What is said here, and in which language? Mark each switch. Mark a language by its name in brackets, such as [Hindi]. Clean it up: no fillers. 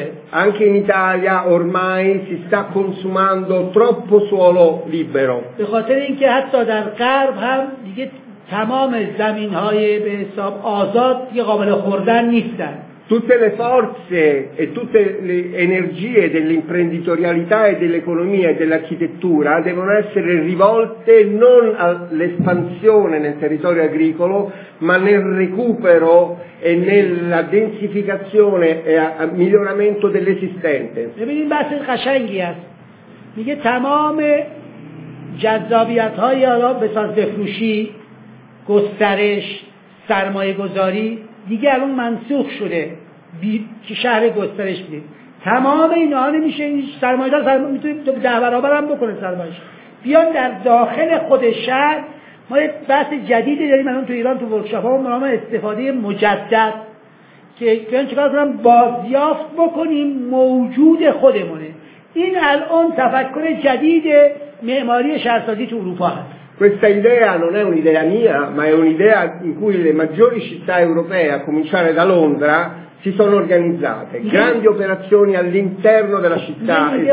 [Italian] Anche in Italia ormai si sta consumando troppo suolo libero. [Persian] به خاطر اینکه حتی در غرب هم دیگه تمام زمین‌های به حساب آزاد دیگه قابل خوردن نیستن. [Italian] Tutte le forze e tutte le energie dell'imprenditorialità e dell'economia e dell'architettura devono essere rivolte non all'espansione nel territorio agricolo, ma nel recupero e nella densificazione e al miglioramento dell'esistente. E vedi in base al Qashengi, [Persian] dice tamam jazabiyat hay ala besaz befrushi gostarish sarmaye gozari دیگه الان منسوخ شده که شهر گسترش بدید. تمام اینا نمیشه. این سرمایه‌دار سرمایه میتونه ده برابر هم بکنه سرمایه‌اش. بیان در داخل خود شهر ما یه بحث جدیدی داریم الان تو ایران تو ورکشاپ‌ها به نام استفاده مجدد که بیان چیکار کنم بازیافت بکنیم موجود خودمونه. این الان تفکر جدید معماری شهرسازی تو اروپا هست. [Italian] Questa idea non è un'idea mia, ma è un'idea in cui le maggiori città europee, a cominciare da Londra, si sono organizzate. Grandi operazioni all'interno della città